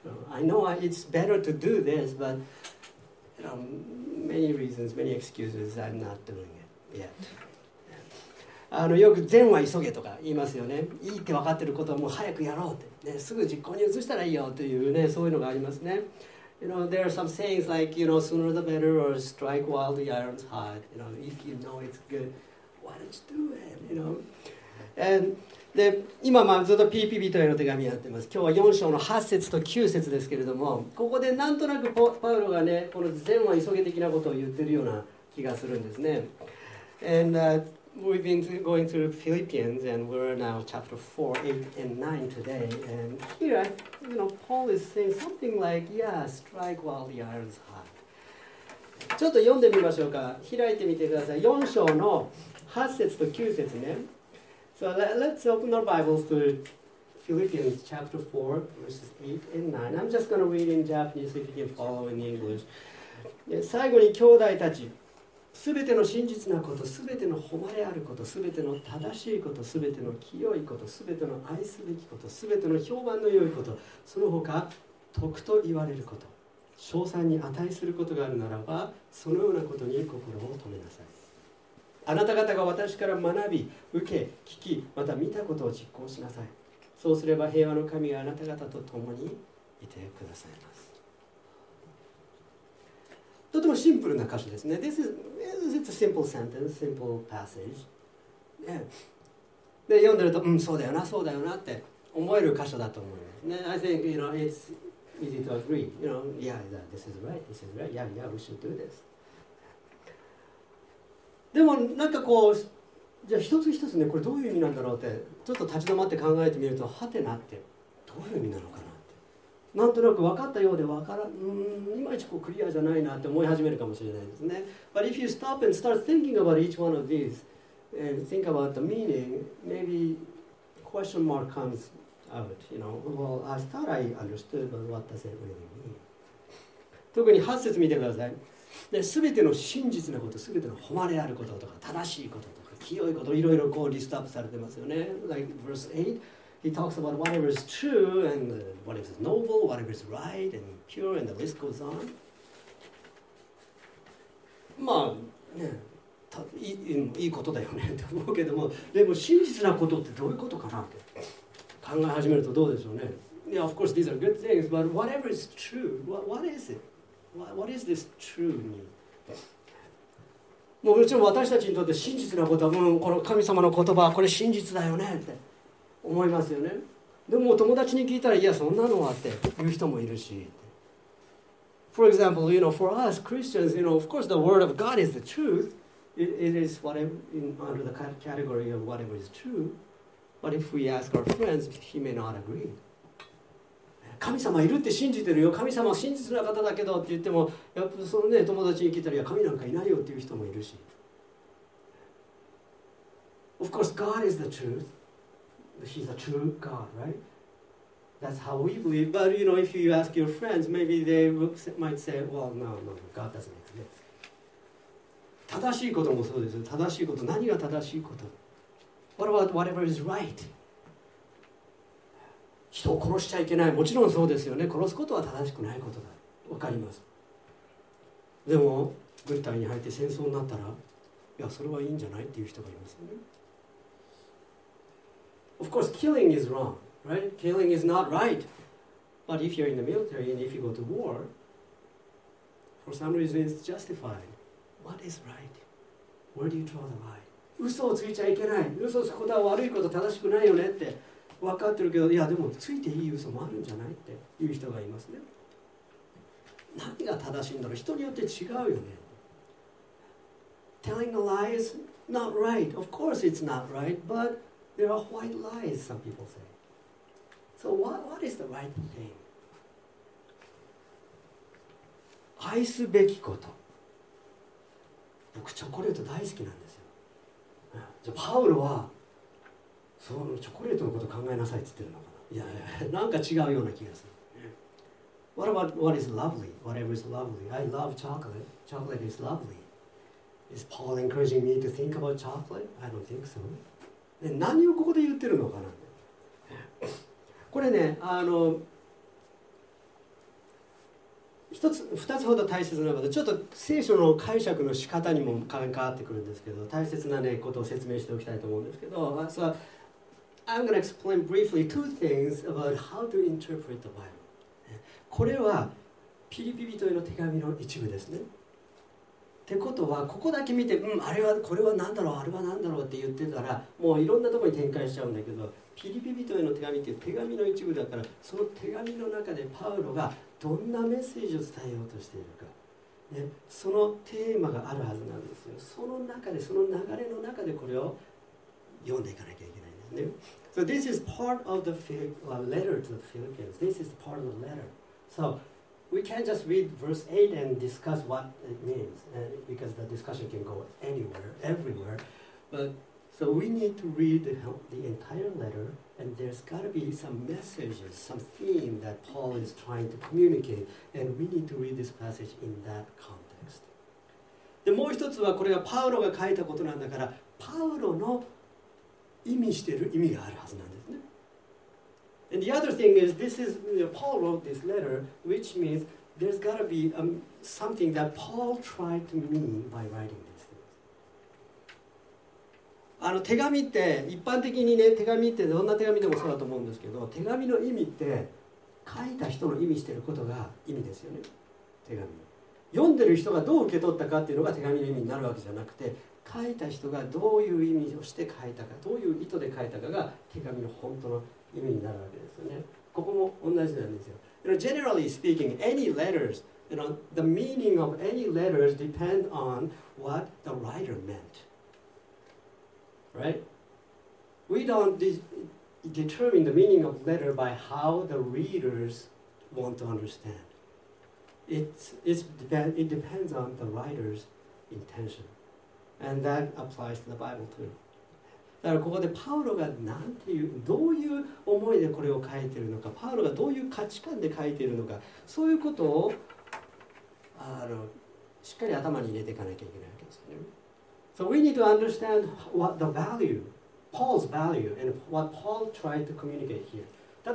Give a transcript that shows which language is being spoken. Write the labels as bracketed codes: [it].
[en] I know it's better to do this, but you know, many reasons, many excuses, I'm not doing it yet. [ja] よく善は急げとか言いますよね。いいって分かってることはもう早くやろうって、ね、すぐ実行に移したらいいよというね、そういうのがありますね。 [en] You know, there are some sayings like, you know, sooner the better, or strike while the iron's hot. You know, if you know it's good, why don't you do it? You know, and, [ja] で今まあずっと PPB というの手紙やってます。今日は4章の8節と9節ですけれども、ここでなんとなくパウロがね、この善は急げ的なことを言ってるような気がするんですね。 [en] And we've been going through Philippians and we're now chapter 4, 8 and 9 today. And here, you know, Paul is saying something like, yeah, strike while the iron's hot. [ja] ちょっと読んでみましょうか。開いてみてください。4章の8節と9節ね。 [en] So let's open our Bibles to Philippians chapter 4, verses 8 and 9. I'm just going to read in Japanese if you can follow in English. [ja] 最後に兄弟たち、すべての真実なこと、すべての誉れあること、すべての正しいこと、すべての清いこと、すべての愛すべきこと、すべての評判の良いこと、その他、徳と言われること、称賛に値することがあるならば、そのようなことに心を留めなさい。あなた方が私から学び、受け、聞き、また見たことを実行しなさい。そうすれば平和の神があなた方と共にいてくださいます。とてもシンプルな箇所ですね。 [en] This is it's a simple sentence, simple passage. [ja] で読んでると、うん、そうだよな、そうだよなって思える箇所だと思います。 [en] ね、I think, you know, it's easy to agree. You know, yeah, this is right, this is right. Yeah, yeah, we should do this. [ja] でもなんかこう、じゃあ一つ一つね、これどういう意味なんだろうって、ちょっと立ち止まって考えてみると、はてなって、どういう意味なのかなって。なんとなく分かったようで分からん、いまいちこうクリアじゃないなって思い始めるかもしれないですね。 [en] But if you stop and start thinking about each one of these, and think about the meaning, maybe question mark comes out, you know. Well, I thought I understood, but what does it really mean? [ja] 特に8節見てください。で全ての真実なこと、全ての誉れあることとか、正しいこととか、清いこと、いろいろこうリストアップされてますよね。 [en] Like verse 8, he talks about whatever is true and whatever is noble, whatever is right and pure, and the list goes on. [ja] まあ、ね、いいことだよねって思うけども、でも真実なことってどういうことかなって考え始めるとどうでしょうね。 [en] Yeah, of course, these are good things, but whatever is true, what is it? What is this true mean? [ja] もうもちろん私たちにとって真実なことは、うん、この神様の言葉はこれ真実だよねって思いますよね。でも友達に聞いたら、いやそんなのはって言う人もいるし。 [en] For example, you know, for us Christians, you know, of course the word of God is the truth. It is whatever, under the category of whatever is true. But if we ask our friends, he may not agree. [ja] 神様いるって信じてるよ、神様は真実な方だけどって言っても、やっぱそのね、友達に聞いたら、いや神なんかいないよっていう人もいるし。 [en] Of course God is the truth. He's a true God, right? That's how we believe. But you know, if you ask your friends, maybe they might say, well, no, God doesn't exist. [ja] 正しいこともそうですよ。正しいこと、何が正しいこと？ [en] What about whatever is right? [ja] 人を殺しちゃいけない。もちろんそうですよね。殺すことは正しくないことだ。わかります。でも、軍隊に入って戦争になったら、いや、それはいいんじゃないっていう人がいますよね。 [en] Of course, killing is wrong, right? Killing is not right. But if you're in the military and if you go to war, for some reason it's justified. What is right? Where do you draw the line? [ja] 嘘をついちゃいけない。嘘をつくことは悪いこと、正しくないよねって分かってるけど、いやでもついていい嘘もあるんじゃないっていう人がいますね。何が正しいんだろう。人によって違うよね。 [en] Telling a lie is not right. Of course it's not right, but there are white lies, some people say. So what is the right thing? [ja] 愛すべきこと。僕チョコレート大好きなんですよ。じゃあパウロはそのチョコレートのこと考えなさいって言ってるのかな。いやいや、なんか違うような気がする。 [en] What about what is lovely? Whatever is lovely. I love chocolate. Chocolate is lovely. Is Paul encouraging me to think about chocolate? I don't think so. [ja] 何をここで言ってるのかな。これね、二つほど大切なこと、ちょっと聖書の解釈の仕方にも関わってくるんですけど、大切な、ね、ことを説明しておきたいと思うんですけど、 [en] So, I'm going to explain briefly two things about how to interpret the Bible. [ja] これはピリピ人への手紙の一部ですね。ってことは、ここだけ見て、うん、あれはこれは何だろう、あれは何だろうって言ってたら、もういろんなところに展開しちゃうんだけど、ピリピ人への手紙っていう手紙の一部だから、その手紙の中でパウロがどんなメッセージを伝えようとしているか、ね、そのテーマがあるはずなんですよ。その中で、その流れの中でこれを読んでいかなきゃいけないんですね。 [en] So this is part of the letter to the Philippians. This is part of the letter. So,We can't just read verse 8 and discuss what it means, because the discussion can go anywhere, everywhere. But, so we need to read the entire letter, and there's got to be some messages, some theme that Paul is trying to communicate, and we need to read this passage in that context. [ja] で、もう一つはこれがパウロが書いたことなんだから、パウロの意味してる意味があるはずなんですね。 [en] And the other thing is, this is, you know, Paul wrote this letter, which means there's got to be something that Paul tried to mean by writing this. [ja] 手紙って、一般的にね、手紙ってどんな手紙でもそうだと思うんですけど、手紙の意味って、書いた人の意味してることが意味ですよね、手紙。読んでる人がどう受け取ったかっていうのが手紙の意味になるわけじゃなくて、書いた人がどういう意味をして書いたか、どういう意図で書いたかが手紙の本当の意味になるわけですよね。ここも同じなんですよ。 [en] You know, generally speaking, any letters, you know, the meaning of any letters depend on what the writer meant. Right? We don't determine the meaning of letter by how the readers want to understand. It depends on the writer's intention. And that applies to the Bible too. [ja] だからここでパウロがなんていう、どういう思いでこれを書いているのか、パウロがどういう価値観で書いているのか、そういうことをしっかり頭に入れていかなきゃいけないわけですよね。 [en] So we need to understand what the value, Paul's value, and what Paul tried to communicate here.